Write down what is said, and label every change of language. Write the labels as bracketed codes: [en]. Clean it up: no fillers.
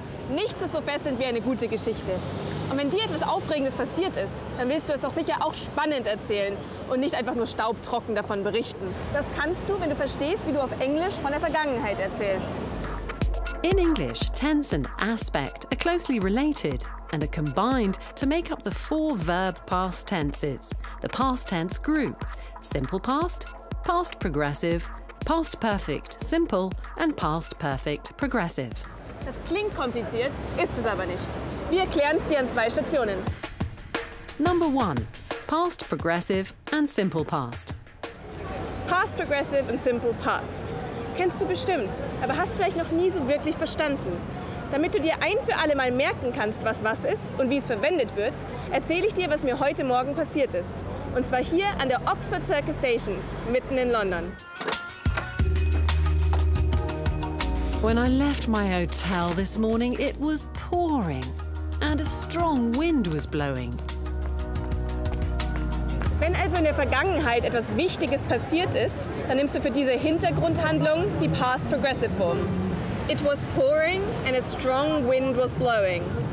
[de] Nichts ist so fesselnd wie eine gute Geschichte. Und wenn dir etwas Aufregendes passiert ist, dann willst du es doch sicher auch spannend erzählen und nicht einfach nur staubtrocken davon berichten. Das kannst du, wenn du verstehst, wie du auf Englisch von der Vergangenheit erzählst. [en] In English, tense and aspect are closely related and are combined to make up the four verb past tenses, the past tense group, simple past, past progressive, past perfect simple and past perfect progressive. [de] Das klingt kompliziert, ist es aber nicht. Wir erklären es dir an zwei Stationen. [en] Number one, past progressive and simple past. Past progressive and simple past. [de] Kennst du bestimmt, aber hast vielleicht noch nie so wirklich verstanden. Damit du dir ein für alle Mal merken kannst, was was ist und wie es verwendet wird, erzähle ich dir, was mir heute Morgen passiert ist. Und zwar hier an der Oxford Circus Station, mitten in London. [en] When I left my hotel this morning, it was pouring and a strong wind was blowing. [de] Wenn also in der Vergangenheit etwas Wichtiges passiert ist, dann nimmst du für diese Hintergrundhandlung die Past Progressive Form. [en] It was pouring and a strong wind was blowing.